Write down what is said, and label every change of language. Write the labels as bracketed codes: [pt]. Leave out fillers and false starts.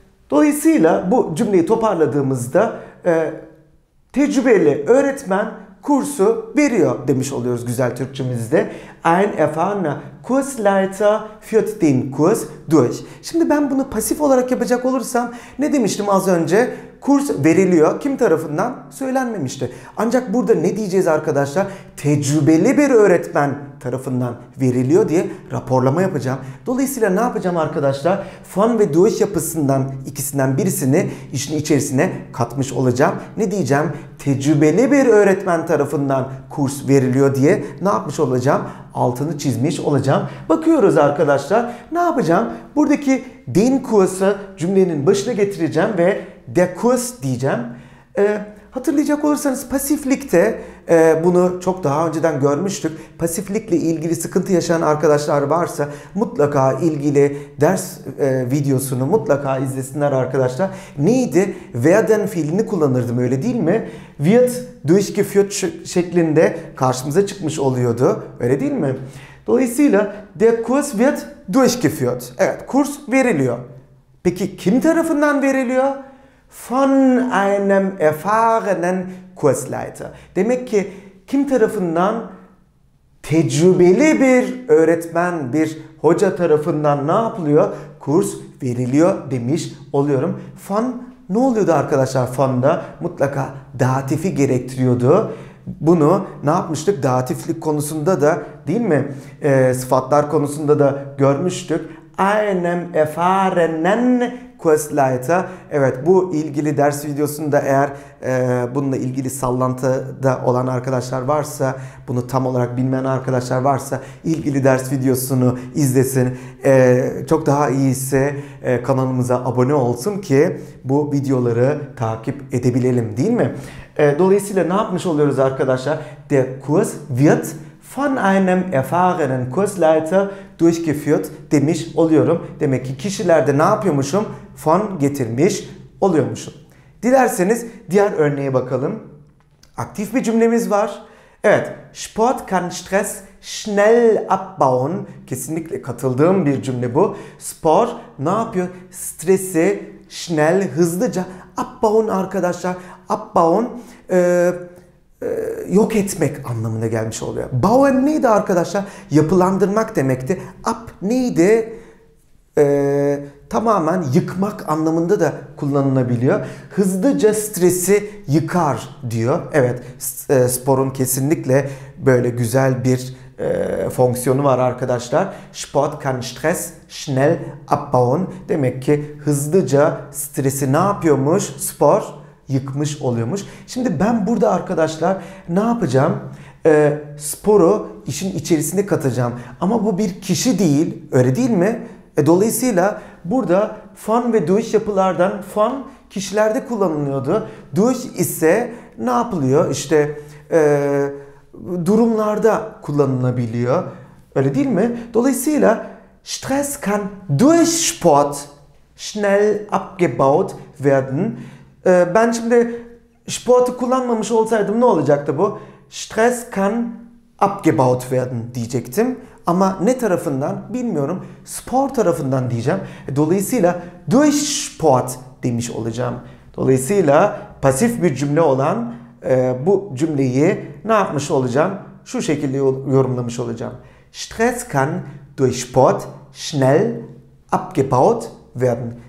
[tr] Dolayısıyla bu cümleyi toparladığımızda tecrübeli öğretmen kursu veriyor demiş oluyoruz güzel Türkçemizde. [de] Ein erfahrener Kursleiter führt den Kurs durch. [tr] Şimdi ben bunu pasif olarak yapacak olursam ne demiştim az önce? Kurs veriliyor. Kim tarafından? Söylenmemişti. Ancak burada ne diyeceğiz arkadaşlar? Tecrübeli bir öğretmen tarafından veriliyor diye raporlama yapacağım. Dolayısıyla ne yapacağım arkadaşlar? Von ve durch yapısından ikisinden birisini işin içerisine katmış olacağım. Ne diyeceğim? Tecrübeli bir öğretmen tarafından kurs veriliyor diye ne yapmış olacağım? Altını çizmiş olacağım. Bakıyoruz arkadaşlar. Ne yapacağım? Buradaki den kursu cümlenin başına getireceğim ve [de] der Kurs [tr] diyeceğim. Hatırlayacak olursanız pasiflikte bunu çok daha önceden görmüştük. Pasiflikle ilgili sıkıntı yaşayan arkadaşlar varsa mutlaka ilgili ders videosunu mutlaka izlesinler arkadaşlar. Neydi? Werden fiilini kullanırdım öyle değil mi? [de] Wird durchgeführt [tr] şeklinde karşımıza çıkmış oluyordu. Öyle değil mi? Dolayısıyla [de] der Kurs wird durchgeführt. [tr] Evet, kurs veriliyor. Peki kim tarafından veriliyor? [de] Von einem erfahrenen Kursleiter. [tr] Demek ki kim tarafından? Tecrübeli bir öğretmen, bir hoca tarafından ne yapılıyor? Kurs veriliyor demiş oluyorum. Von ne oluyordu arkadaşlar? Von da mutlaka datifi gerektiriyordu. Bunu ne yapmıştık? Datiflik konusunda da değil mi? Sıfatlar konusunda da görmüştük. [de] Einem erfahrenen Kursleiter. [tr] Evet, bu ilgili ders videosunda eğer bununla ilgili sallantıda olan arkadaşlar varsa, bunu tam olarak bilmeyen arkadaşlar varsa ilgili ders videosunu izlesin. Çok daha iyisi kanalımıza abone olsun ki bu videoları takip edebilelim değil mi? Dolayısıyla ne yapmış oluyoruz arkadaşlar? [de] Der Kurs wird von einem erfahrenen Kursleiter durchgeführt [tr] demiş oluyorum. Demek ki kişilerde ne yapıyormuşum? Von getirmiş oluyormuşum. Dilerseniz diğer örneğe bakalım. Aktif bir cümlemiz var. Evet. [de] Sport kann Stress schnell abbauen. [tr] Kesinlikle katıldığım bir cümle bu. Spor ne yapıyor? Stresi schnell, hızlıca abbauen arkadaşlar. Abbauen yok etmek anlamına gelmiş oluyor. Bauen neydi arkadaşlar? Yapılandırmak demekti. Ab neydi? Tamamen yıkmak anlamında da kullanılabiliyor. Hızlıca stresi yıkar diyor. Evet, sporun kesinlikle böyle güzel bir fonksiyonu var arkadaşlar. [de] Sport kann Stress schnell abbauen. [tr] Demek ki hızlıca stresi ne yapıyormuş? Spor yıkmış oluyormuş. Şimdi ben burada arkadaşlar ne yapacağım? Sporu işin içerisine katacağım. Ama bu bir kişi değil. Öyle değil mi? Dolayısıyla burada von ve durch yapılardan von kişilerde kullanılıyordu. Durch ise ne yapılıyor? İşte durumlarda kullanılabiliyor. Öyle değil mi? Dolayısıyla [de] Stress kann durch Sport schnell abgebaut werden. [tr] Ben şimdi Sport'u kullanmamış olsaydım ne olacaktı bu? [de] Stress kann abgebaut werden [tr] diyecektim. Ama ne tarafından bilmiyorum. Spor tarafından diyeceğim. Dolayısıyla [de] durch Sport [tr] demiş olacağım. Dolayısıyla pasif bir cümle olan bu cümleyi ne yapmış olacağım? Şu şekilde yorumlamış olacağım. [de] Stress kann durch Sport schnell abgebaut werden.